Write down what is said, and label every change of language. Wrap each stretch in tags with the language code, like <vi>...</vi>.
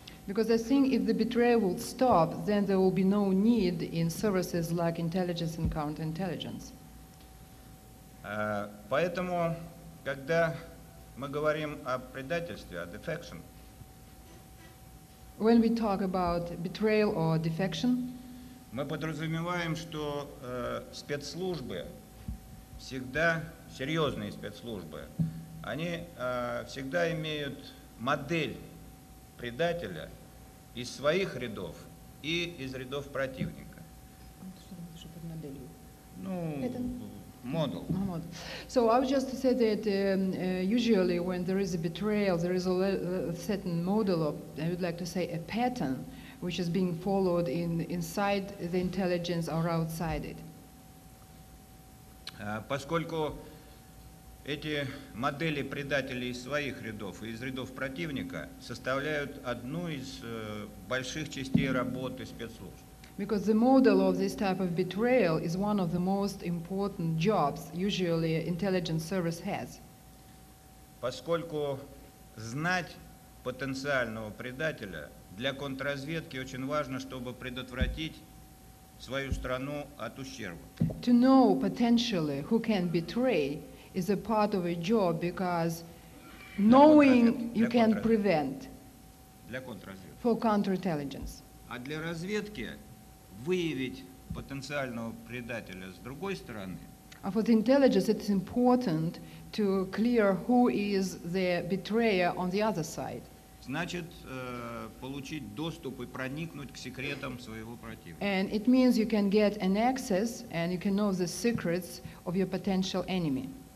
<en>Because I think if the betrayal will stop, then there will be no need in services like intelligence and counterintelligence.</en> <ru>Поэтому, когда мы говорим о предательстве, о defection,</ru> <en>when we talk about betrayal or defection,</en> <ru>мы подразумеваем, что спецслужбы всегда, серьезные спецслужбы, они всегда имеют модель предателя из своих рядов и из рядов противника. Что под моделью? Ну, model.</ru> <en>So I would just say that usually when there is a betrayal, there is a certain model of, I would like to say, a pattern which is being followed in inside the intelligence or outside it.</en> <ru>Поскольку эти модели предателей из своих рядов и из рядов противника составляют одну из больших частей работы спецслужб.</ru> <en>Because the model of this type of betrayal is one of the most important jobs usually intelligence service has.</en> <ru>Поскольку знать потенциального предателя для контрразведки очень важно, чтобы предотвратить свою страну от ущерба.</ru> <en>To know potentially who can betray is a part of a job because knowing you can prevent for counterintelligence.</en> <ru>А для разведки выявить потенциального предателя с другой стороны.</ru> <en>And for the intelligence, it's important to clear who is the betrayer on the other side.</en> <ru>Значит, получить доступ и проникнуть к секретам своего противника.</ru> <en>And it means you can get an access and you can know the secrets of your potential enemy.</en>